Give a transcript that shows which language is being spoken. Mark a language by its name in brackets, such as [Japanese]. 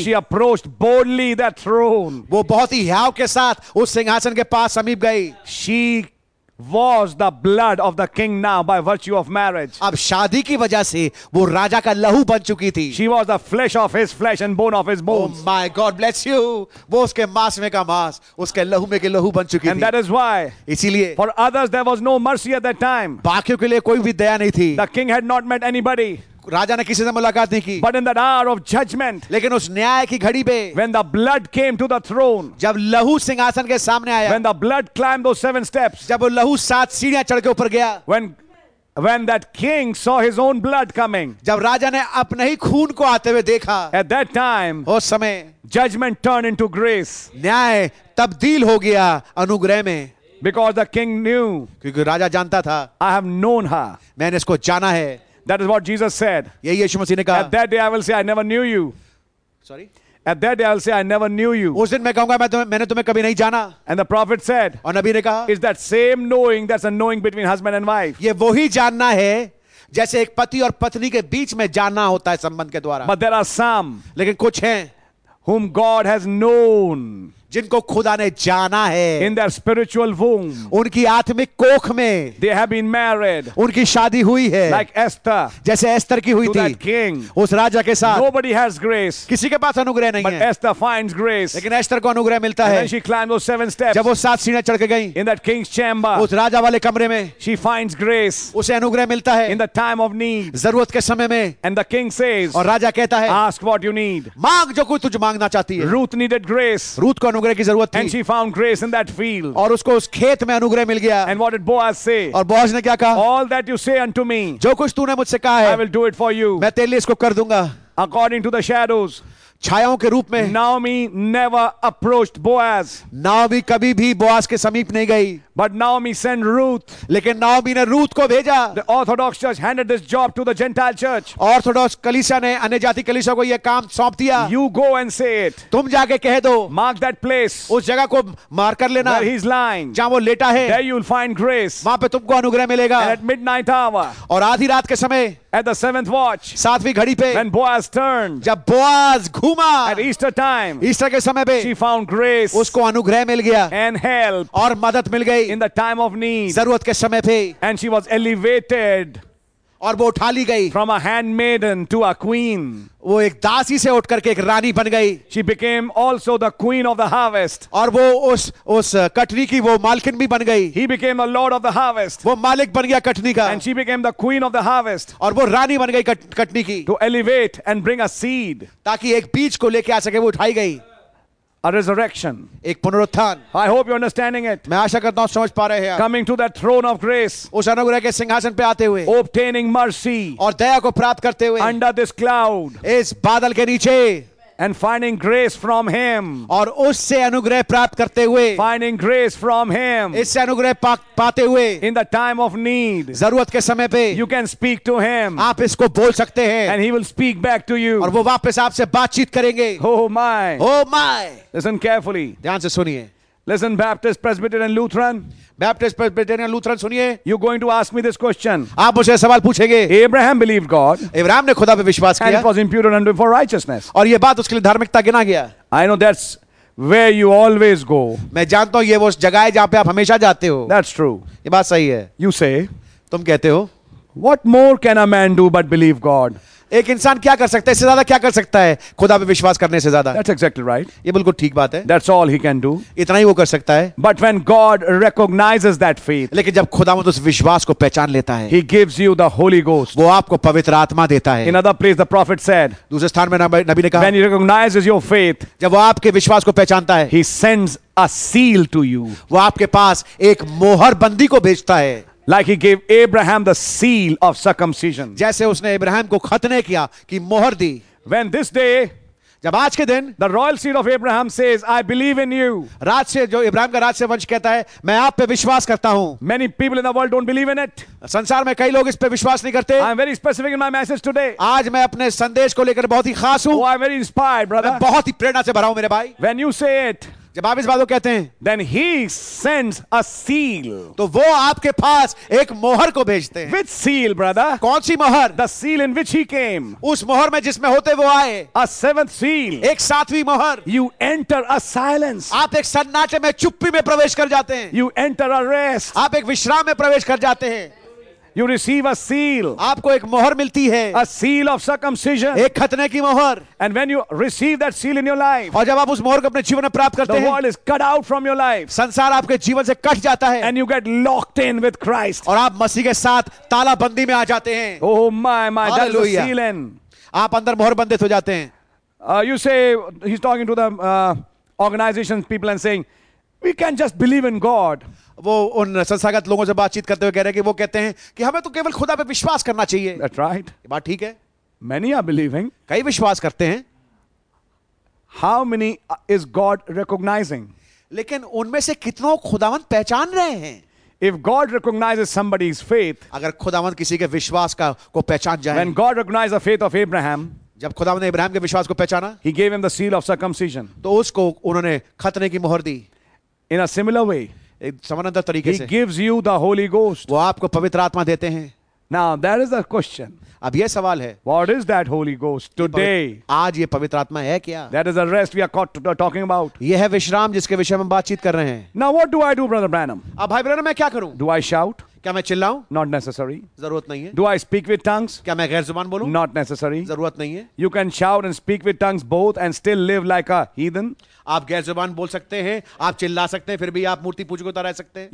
[English] she approached boldly that throne [Hindi] वो बहुत ही हाव के साथ उस सिंहासन के पास समीप गई [English] she was the blood of the king now by virtue of marriage [Hindi] अब शादी की वजह से वो राजा का लहू बन चुकी थी [English] she was the flesh of his flesh and bone of his bones oh my god bless you [Hindi] वो उसके मांस में का मांस उसके लहू में के लहू बन चुकी [English] थी and that is why [Hindi] इसीलिए [English] for others there was no mercy at that time [Hindi] बाकियों के लिए कोई भी दया नहीं थी [English] the king had not met anybody [Hindi] राजा ने किसी से मुलाकात नहीं की [English] but in that hour of judgment [Hindi] लेकिन उस न्याय की घड़ी पे [English] when the blood came to the throne [Hindi] जब लहू सिंहासन के सामने आया [English] when the blood climb to seven steps [Hindi] जब वो लहू सात सीढ़ियां चढ़ के ऊपर गया [English] When that king saw his own blood coming, [Hindi] जब राजा ने अपने ही खून को आते हुए देखा, [English] at that time, [Hindi] उस समय, [English] judgment turned into grace, [Hindi] न्याय तब्दील हो गया अनुग्रह में [English] because the king knew, [Hindi] क्योंकि राजा जानता था, [English] I have known her, [Hindi] मैंने इसको जाना है. [English] That is what Jesus said. [Hindi] यही यीशु मसीह ने कहा. [English] At that day I will say I never knew you. Sorry. At that day I will say I never knew you. [Hindi] उस दिन मैं कहूँगा मैंने तुम्हें कभी नहीं जाना. [English] And the prophet said. [Hindi] और नबी ने कहा. [English] Is that same knowing that's a knowing between husband and wife? [Hindi] ये वही जानना है जैसे एक पति और पत्नी के बीच में जानना होता है संबंध के द्वारा. [English] But there are some. [Hindi] लेकिन कुछ हैं. [English] Whom God has known. [Hindi] जिनको खुदा ने जाना है [English] in their spiritual womb [Hindi] उनकी आत्मिक कोख में [English] they have been married [Hindi] उनकी शादी हुई है [English] like Esther [Hindi] जैसे Esther की हुई [English] to [Hindi] थी [English] that king [Hindi] उस राजा के साथ [English] nobody has grace [Hindi] किसी के पास अनुग्रह नहीं [English] but [Hindi] है [English] Esther finds grace [Hindi] लेकिन Esther को अनुग्रह मिलता है [English] and then she climbed those seven steps [Hindi] जब वो सात सीढ़ियां चढ़ के गई [English] in that king's chamber [Hindi] उस राजा वाले कमरे में [English] she finds grace [Hindi] उसे अनुग्रह मिलता है [English] in the time of need [Hindi] जरूरत के समय में [English] and the king says [Hindi] और राजा कहता है [English] ask what you need [Hindi] मांग जो कुछ तुझे मांगना चाहती है [English] Ruth needed grace [Hindi] Ruth अनुग्रह की जरूरत थी [English] and she found grace in that field [Hindi] और उसको उस खेत में अनुग्रह मिल गया [English] and what did Boaz say [Hindi] और बोआज ने क्या कहा [English] all that you say unto me [Hindi] जो कुछ तूने मुझसे कहा है [English] I will do it for you [Hindi] मैं तेरे लिए इसको कर दूंगा [English] according to the shadows [Hindi] छायाओं के रूप में [English] Naomi never approached Boaz [Hindi] Naomi कभी भी बोआज के समीप नहीं गई [English] but Naomi sent Ruth [Hindi] लेकिन Naomi ने रूथ को भेजा [English] the orthodox church handed this job to the gentile church [Hindi] orthodox कलीसिया ने अन्य जाति कलीसिया को यह काम सौंप दिया [English] you go and say it [Hindi] तुम जाके कह दो [English] mark that place [Hindi] उस जगह को मार कर लेना [English] where he's lying [Hindi] जहां वो लेटा है [English] there you'll find grace [Hindi] वहां पे तुमको अनुग्रह मिलेगा [English] at midnight hour [Hindi] और आधी रात के समय [English] at the seventh watch [Hindi] सातवीं घड़ी पे [English] when Boaz turned [Hindi] जब बोआज घूमा [English] at easter time [Hindi] ईस्टर के समय पे [English] she found grace [Hindi] उसको अनुग्रह मिल गया [English] and help [Hindi] और मदद मिल गई [English] In the time of need, [Hindi] जरूरत के समय पे, [English] and she was elevated, [Hindi] और वो उठा ली गई, [English] from a handmaiden to a queen, [Hindi] वो एक दासी से उठकर के एक रानी बन गई, [English] she became also the queen of the harvest, [Hindi] और वो उस कटनी की वो मालकिन भी बन गई, [English] he became a lord of the harvest, [Hindi] वो मालिक बन गया कटनी का, [English] and she became the queen of the harvest, [Hindi] और वो रानी बन गई कटनी की, [English] to elevate and bring a seed, [Hindi] ताकि एक बीज को लेके आ सके, वो उठाई गई. [English] A resurrection. [Hindi] एक पुनरुत्थान. [English] I hope you're understanding it. [Hindi] मैं आशा करता हूँ समझ पा रहे हैं. [English] Coming to that throne of grace. [Hindi] उस अनुग्रह के सिंहासन पे आते हुए. [English] Obtaining mercy. [Hindi] और दया को प्राप्त करते हुए. [English] Under this cloud. [Hindi] इस बादल के नीचे. [English] And finding grace from Him. [Hindi] और उससे अनुग्रह प्राप्त करते हुए. [English] Finding grace from Him. [Hindi] इससे अनुग्रह पाते हुए. [English] In the time of need. [Hindi] जरूरत के समय पे. [English] You can speak to Him. [Hindi] आप इसको बोल सकते हैं. [English] And He will speak back to you. [Hindi] और वो वापस आपसे बातचीत करेंगे. [English] Oh my. Oh my. Listen carefully. [Hindi] ध्यान से सुनिए. [English] Listen, Baptist, Presbyterian, Lutheran. [Hindi] Baptist, Presbyterian, Lutheran, सुनिए. [English] You're going to ask me this question. [Hindi] आप मुझे सवाल पूछेंगे. [English] Abraham believed God. [Hindi] Abraham ने खुदा पे विश्वास किया. [English] And it was imputed unto him for righteousness. [Hindi] और ये बात उसके लिए धार्मिकता गिना गया. [English] I know that's where you always go. [Hindi] मैं जानता हूँ ये वो जगह है जहाँ पे आप हमेशा जाते हो. [English] That's true. [Hindi] ये बात सही है. [English] You say. [Hindi] तुम कहते हो. [English] What more can a man do but believe God? [Hindi] एक इंसान क्या कर सकता है इससे ज्यादा क्या कर सकता है खुदा पे विश्वास करने से ज्यादा [English] That's exactly right. [Hindi] ये बिल्कुल ठीक बात है [English] That's all he can do. [Hindi] इतना ही वो कर सकता है [English] But when God recognizes that faith, [Hindi] लेकिन जब खुदा में उस विश्वास को पहचान लेता है [English] he gives you the Holy Ghost. [Hindi] वो आपको पवित्र आत्मा देता है [English] In another place, the prophet said, [Hindi] दूसरे स्थान में नबी ने कहा [English] when he recognizes your faith, [Hindi] जब वो आपके विश्वास को पहचानता है [English] he sends a seal to you. [Hindi] वो आपके पास एक मोहर बंदी को भेजता है [English] Like he gave Abraham the seal of circumcision. [Hindi] जैसे उसने अब्राहम को खतने किया कि मोहर दी. [English] When this day, [Hindi] जब आज के दिन, [English] the royal seal of Abraham says, "I believe in you." [Hindi] राज्य जो इब्राहिम का राज्य वंश कहता है, मैं आप पे विश्वास करता हूँ. [English] Many people in the world don't believe in it. [Hindi] संसार में कई लोग इस पे विश्वास नहीं करते. [English] I'm very specific in my message today. [Hindi] आज मैं अपने संदेश को लेकर बहुत ही खास हूँ. [English] Oh, I'm very inspired, brother. [Hindi] मैं बहुत ही प्रेरणा से भरा हूँ मेरे भाई. [English] When you say it. [Hindi] जब आप इस बात को कहते हैं, [English] then he sends a seal. [Hindi] तो वो आपके पास एक मोहर को भेजते हैं. [English] Which seal, brother? [Hindi] कौन सी मोहर? [English] The seal in which he came. [Hindi] उस मोहर में जिसमें होते वो आए. [English] A seventh seal. [Hindi] एक सातवीं मोहर. [English] You enter a silence. [Hindi] आप एक सन्नाटे में चुप्पी में प्रवेश कर जाते हैं. [English] You enter a rest. [Hindi] आप एक विश्राम में प्रवेश कर जाते हैं. [English] You receive a seal. [Hindi] आपको एक मोहर मिलती है. [English] A seal of circumcision. [Hindi] एक खतने की मोहर. [English] And when you receive that seal in your life. [Hindi] और जब आप उस मोहर को अपने जीवन में प्राप्त करते हैं. [English] The world is cut out from your life. [Hindi] संसार आपके जीवन से कट जाता है. [English] And you get locked in with Christ. [Hindi] और आप मसीह के साथ तालाबंदी में आ जाते हैं. [English] Oh my, that's the seal in. [Hindi] आप अंदर मोहर बंधित हो जाते हैं. [English] You say he's talking to the organization people and saying, we can just believe in God. [Hindi] वो उन संस्थागत लोगों से बातचीत करते हुए कह रहे हैं कि वो कहते हैं कि हमें तो केवल खुदा पे विश्वास करना चाहिए. [English] That's right. [Hindi] ये बात ठीक है. [English] Many are believing. [Hindi] कई विश्वास करते हैं. [English] How many is God recognizing? [Hindi] लेकिन उनमें से कितनों खुदावंत पहचान रहे हैं? [English] If God recognizes somebody's faith, [Hindi] अगर खुदावंत किसी के विश्वास का को पहचान जाए. [English] When God recognized the faith of Abraham, [Hindi] जब खुदावंत ने इब्राहिम के विश्वास को पहचाना, [English] he gave him the seal of circumcision. [Hindi] तो उसको उन्होंने खतने की मोहर दी. [English] In a similar way, [Hindi] समानांतर तरीके से, [English] He gives you the Holy Ghost. [Hindi] वो आपको पवित्र आत्मा देते हैं. [English] Now that is the question. [Hindi] अब ये सवाल है. [English] What is that Holy Ghost today? [Hindi] आज ये पवित्र आत्मा है क्या? [English] That is the rest we are talking about. [Hindi] ये है विश्राम जिसके विषय में बातचीत कर रहे हैं. [English] Now what do I do, Brother Branham? [Hindi] अब भाई ब्रैनम मैं क्या करूं? [English] Do I shout? [Hindi] क्या मैं चिल्लाऊं? [English] Not necessary. [Hindi] जरूरत नहीं है. [English] Do I speak with tongues? [Hindi] क्या मैं गैर जुबान बोलूं? [English] Not necessary. [Hindi] जरूरत नहीं है. [English] You can shout and speak with tongues both and still live like a heathen. [Hindi] आप गैर जुबान बोल सकते हैं, आप चिल्ला सकते हैं, फिर भी आप मूर्ति पूजकों तरह रह सकते हैं.